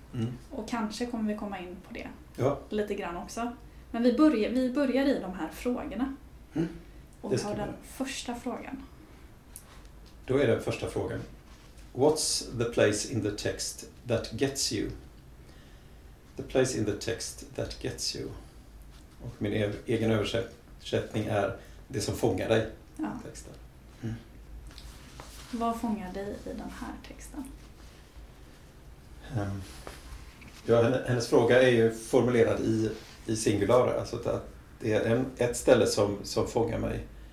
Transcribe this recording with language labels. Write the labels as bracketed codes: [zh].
[sv] Mm. Och kanske kommer vi komma in på det lite grann också. Men vi börjar i de här frågorna. Mm. Och vi har den första frågan. Då är den första frågan: [en] What's the place in the text that gets you? The place in the text that gets you. [sv] Och min egen översättning är det som fångar dig. Ja. Texten. Mm. Vad fångar dig i den här texten? Hennes fråga är ju formulerad i singular, alltså att det är ett ställe som fångar mig.